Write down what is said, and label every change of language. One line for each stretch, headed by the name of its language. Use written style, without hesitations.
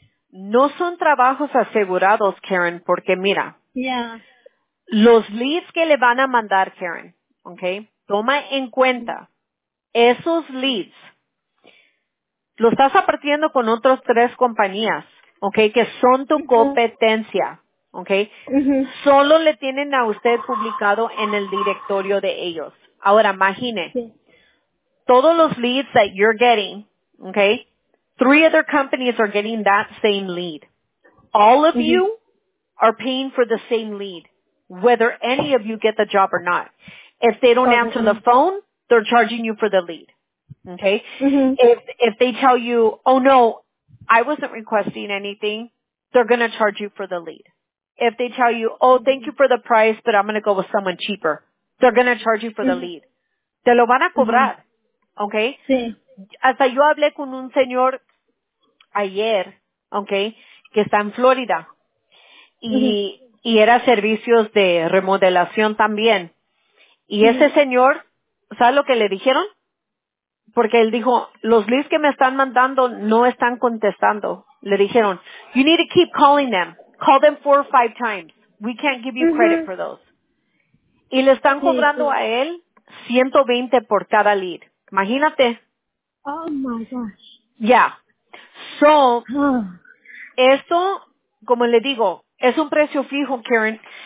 Spanish: No son trabajos asegurados, Karen, porque mira, los leads que le van a mandar, Karen, okay, toma en cuenta, esos leads, lo estás apartiendo con otros tres compañías, okay, que son tu competencia, okay, solo le tienen a usted publicado en el directorio de ellos. Ahora, imagine, todos los leads
English: that you're getting, okay, three other companies are getting that same lead. All of you are paying for the same lead, whether any of you get the job or not. If they don't answer the phone, they're charging you for the lead, okay? If they tell you, oh, no, I wasn't requesting anything, they're going to charge you for the lead. If they tell you, oh, thank you for the price, but I'm going to go with someone cheaper, they're going to charge you for the lead.
Spanish: Te lo van a cobrar, okay? Sí. Hasta yo hablé con un señor ayer, okay, que está en Florida, y era servicios de remodelación también. Y ese señor, ¿sabe lo que le dijeron? Porque él dijo, los leads que me están mandando no están contestando. Le dijeron,
English: you need to keep calling them. Call them 4 or 5 times. We can't give you credit for those.
Spanish: Y le están cobrando a él 120 por cada lead. Imagínate.
English: Oh, my gosh. Yeah.
Spanish: So, esto, como le digo, es un precio fijo, Karen.